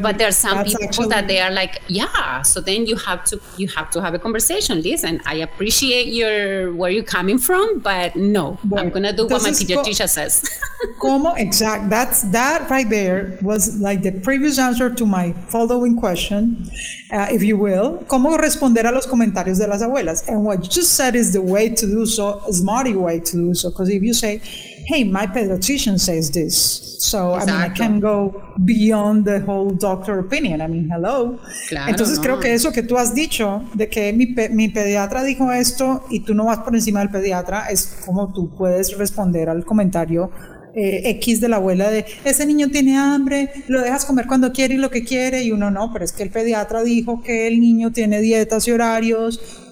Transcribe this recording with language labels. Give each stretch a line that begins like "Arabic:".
English: But there are some people that they are like, yeah, so then you have to have a conversation. Listen, I appreciate where you're coming from, but no, I'm going to do what my pediatrician says.
Spanish: ¿Cómo?
English: Exactly. That right there was like the previous answer to my following question, if you will.
Spanish: ¿Cómo responder a los comentarios de las abuelas?
English: And what you just said is the way to do so, a smarty way to do so, because if you say, hey, my pediatrician says this, so exacto. I mean, I can go beyond the whole doctor opinion. I mean, hello.
Spanish: Claro, entonces, no. Creo que eso que tú has dicho, de que mi pediatra dijo esto y tú no vas por encima del pediatra, es como tú puedes responder al comentario X de la abuela de, ese niño tiene hambre, lo dejas comer cuando quiere y lo que quiere, y uno no, pero es que el pediatra dijo que el niño tiene dietas y horarios,